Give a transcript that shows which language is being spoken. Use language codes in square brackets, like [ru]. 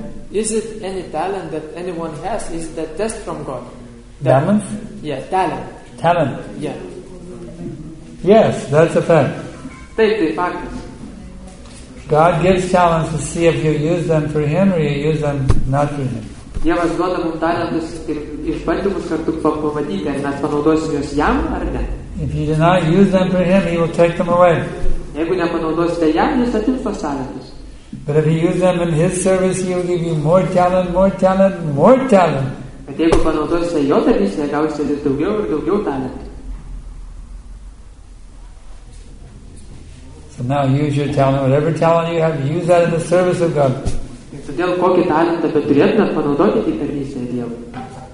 [en] Is it any talent that anyone has? Is it a test from God? Talent? Yeah, talent. Talent? Yeah. Yes, that's a fact. Take the fact. God gives talents to see if you use them for Him or you use them not for Him. [lt] Dievas duoda mums talentus ir išbandymus kartu pamatyti, ar mes panaudosim juos Jam ar ne. [en] If you do not use them for Him, He will take them away. [lt] Jeigu nepanaudosite Jam, Jis atims tuos talentus. [en] But if you use them in His service, He will give you more talent, more talent, more talent. [lt] Bet jeigu panaudosite Jo tarnystėje, gausite vis daugiau ir daugiau talentų. [en] So now use your talent, whatever talent you have, use that in the service of God. [lt] Todėl kokį talentą bet turėtumėt panaudoti į tarnystę Dievui.